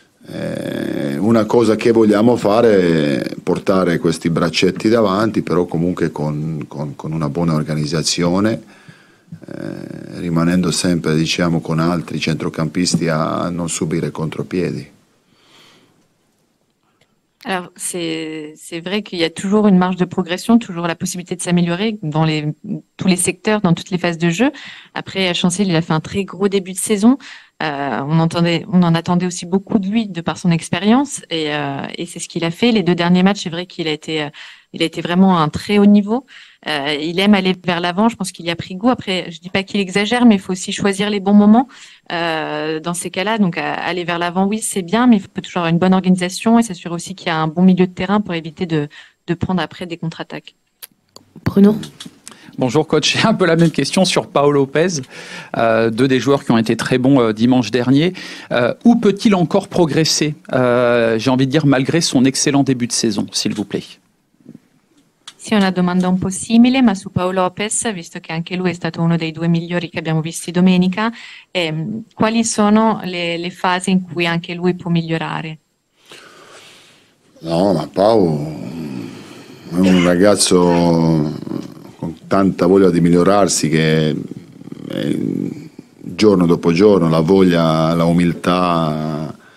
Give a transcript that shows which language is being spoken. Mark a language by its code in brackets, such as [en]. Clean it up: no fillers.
[it] Una cosa che vogliamo fare è portare questi braccetti davanti, però comunque con una buona organizzazione, rimanendo sempre, diciamo, con altri centrocampisti a non subire contropiedi. [fr] Alors, c'est vrai qu'il y a toujours une marge de progression, toujours la possibilité de s'améliorer dans tous les secteurs, dans toutes les phases de jeu. Après, à Chancel, il a fait un très gros début de saison. On en attendait aussi beaucoup de lui de par son expérience et c'est ce qu'il a fait. Les deux derniers matchs, c'est vrai qu'il a été vraiment à un très haut niveau. Il aime aller vers l'avant, je pense qu'il y a pris goût. Après, je dis pas qu'il exagère, mais il faut aussi choisir les bons moments dans ces cas-là. Donc aller vers l'avant, oui, c'est bien, mais il faut toujours avoir une bonne organisation et s'assurer aussi qu'il y a un bon milieu de terrain pour éviter de prendre après des contre-attaques. Bruno. Bonjour coach, j'ai un peu la même question sur Paulo Lopez, deux des joueurs qui ont été très bons dimanche dernier. Où peut-il encore progresser, j'ai envie de dire, malgré son excellent début de saison, s'il vous plaît? [it] Sì, una domanda un po' simile, ma su Paolo Lopez, visto che anche lui è stato uno dei due migliori che abbiamo visti domenica, quali sono le fasi in cui anche lui può migliorare? No, ma Paolo è un ragazzo con tanta voglia di migliorarsi, che giorno dopo giorno la voglia, la umiltà